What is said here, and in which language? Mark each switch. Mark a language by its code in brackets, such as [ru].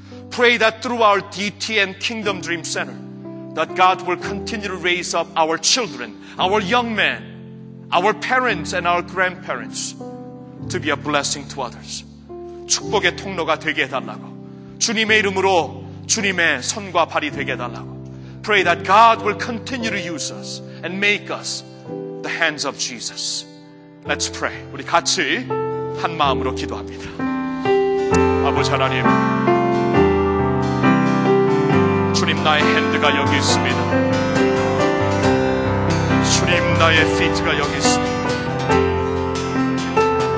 [en] Pray that through our DT and Kingdom Dream Center that God will continue to raise up our children, our young men, our parents and our grandparents to be a blessing to others. [ko] 축복의 통로가 되게 해달라고. 주님의 이름으로 주님의 손과 발이 되게 해달라고. [en] Pray that God will continue to use us and make us the hands of Jesus. Let's pray. [ko] 우리 같이 한 마음으로 기도합니다. 아버지 하나님, 주님 나의 핸드가 여기 있습니다. 주님 나의 피트가 여기 있습니다.